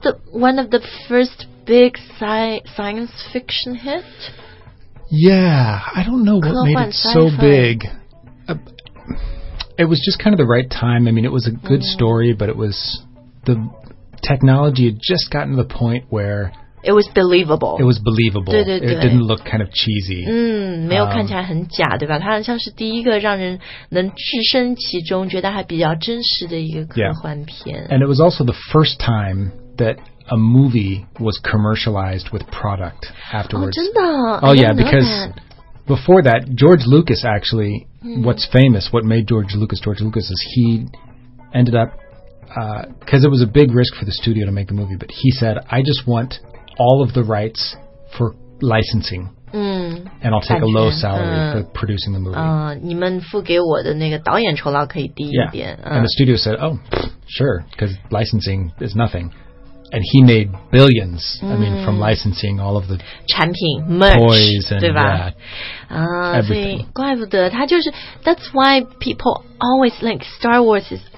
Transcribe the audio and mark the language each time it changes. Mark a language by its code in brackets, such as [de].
[en] It the, one of the first big science fiction hit? Yeah, I don't know what made it so big. It was just kind of the right time. I mean, it was a good、story, but it was the technology had just gotten to the point where it was believable. It was believable. [zh] 对对对 [en] it didn't look kind of cheesy. [zh] 没有看起来很假，对吧？它好像是第一个让人能置身其中，觉得还比较真实的一个科幻片。 [en] Yeah. And it was also the first time that a movie was commercialized with product afterwards. [zh] Oh, 真的 [en] Oh, yeah, because before that, George Lucas actually. What's famous, what made George Lucas is he ended up, because it was a big risk for the studio to make the movie, but he said, I just want all of the rights for licensing,、and I'll take a low salary、for producing the movie. [zh] 你们付给我的那个导演酬劳可以低一点。 [en] Yeah. And the studio said, oh, sure, because licensing is nothing. And he made billions,、I mean, from licensing all of the [zh] 产品 merch, [en] toys and [zh] 对吧 [en] that. Everything. [zh] 怪不得他就是 [en] That's why people always like Star Wars is